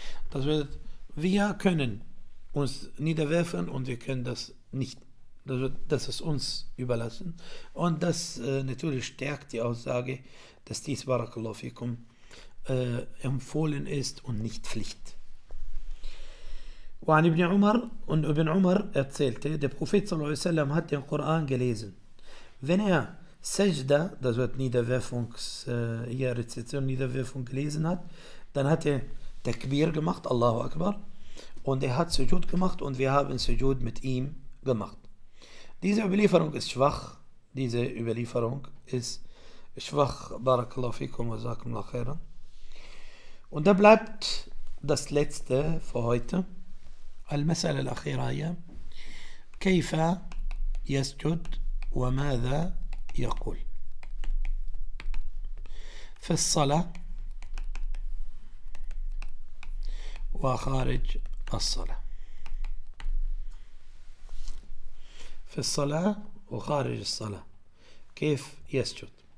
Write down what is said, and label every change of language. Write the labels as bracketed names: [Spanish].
[German] Das wird, wir können uns niederwerfen und wir können das nicht. Das wird, das ist uns überlassen. Und das natürlich stärkt die Aussage, dass dies Barakallahu fikum empfohlen ist und nicht Pflicht. [Arabic] وعن ابن عمر [German] und ابن عمر erzählte, der Prophet [Arabic] صلى الله عليه وسلم [German] hat den Koran gelesen. Wenn er Sajda, das wird Niederwerfung, hier Rezitation, Niederwerfung gelesen hat, dann hat er Takbir gemacht, Allahu Akbar, und er hat Sujud gemacht und wir haben Sujud mit ihm gemacht. Diese Überlieferung ist schwach, diese Überlieferung ist schwach, [Arabic] Barakallahu fikum wa zakum la khairan. [German] Und da bleibt das Letzte für heute. [Arabic] المسألة الأخيرة هي كيف يسجد وماذا يقول في الصلاة وخارج الصلاة، في الصلاة وخارج الصلاة كيف يسجد.